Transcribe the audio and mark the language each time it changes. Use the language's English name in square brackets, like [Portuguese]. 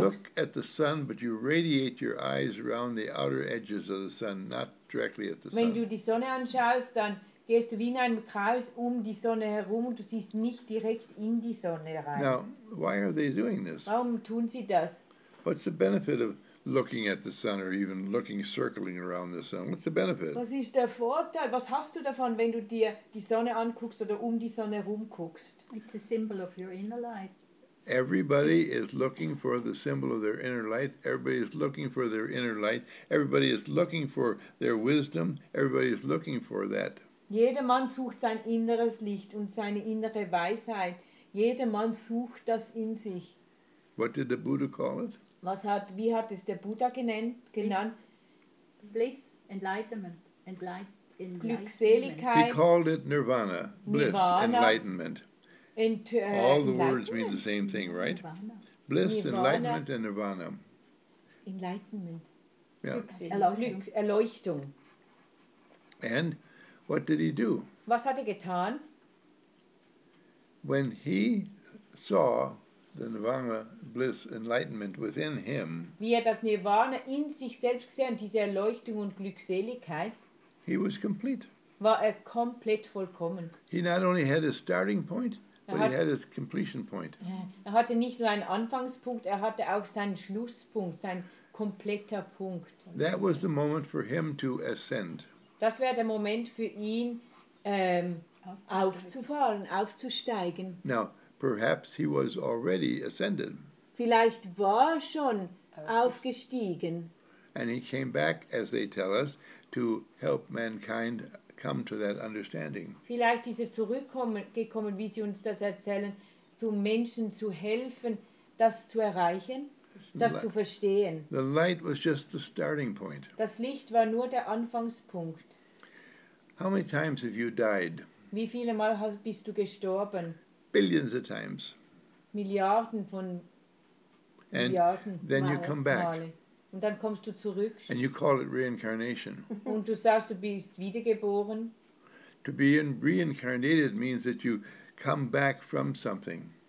[English] You look at the sun, but you radiate your eyes around the outer edges of the sun, not directly at the sun. [German] Wenn du die Sonne anschaust, dann gehst du wie in einem Kreis um die Sonne herum und du siehst nicht direkt in die Sonne rein. [English] Now, why are they doing this? Warum tun sie das? What's the benefit of looking at the sun or even looking circling around the sun? What's the benefit? [German] Was ist der Vorteil? Was hast du davon, wenn du dir die Sonne anguckst oder um die Sonne herum guckst? [English] It's a symbol of your inner light. Everybody is looking for the symbol of their inner light. Everybody is looking for their inner light. Everybody is looking for their wisdom. Everybody is looking for that. [German] Jeder Mann sucht sein inneres Licht und seine innere Weisheit. Jeder Mann sucht das in sich. [English] What did the Buddha call it? [German] Wie hat es der Buddha genannt? [English] Bliss, enlightenment, enlightenment. [German] Glückseligkeit. [English] He called it Nirvana, bliss, Nirvana, enlightenment. All the words mean the same thing, right? Nirvana. Bliss, Nirvana. Enlightenment and Nirvana. Enlightenment. Yeah. [German] Erleuchtung. [English] And what did he do? [German] Was hat getan? [English] When he saw the Nirvana, bliss, enlightenment within him, [German] wie er das Nirvana in sich selbst gesehen, diese Erleuchtung und Glückseligkeit, [English] he was complete. [German] War er komplett vollkommen. [English] He not only had his starting point, but he had his completion point. [German] Er hatte nicht nur einen Anfangspunkt, er hatte auch seinen Schlusspunkt, seinen kompletter Punkt. [English] That was the moment for him to ascend. [German] Das wäre der Moment für ihn, aufzufahren, aufzusteigen. [English] Now, perhaps he was already ascended. [German] Vielleicht war schon aufgestiegen. [English] And he came back, as they tell us, to help mankind come to that understanding. [German] Vielleicht ist er zurückgekommen, wie sie uns das erzählen, zu Menschen zu helfen, das zu erreichen. Das zu verstehen. [English] The light was just the starting point. [German] Das Licht war nur der Anfangspunkt. [English] How many times have you died? [German] Wie viele Mal bist du gestorben? [English] Billions of times. [German] Milliarden von [English] and [German] Milliarden [English] then [German] Male. [English] You come back. [German] Und dann kommst du zurück. [English] And you call it reincarnation. [German] Und du sagst, du bist wiedergeboren. [English] To be reincarnated means that you come back from something.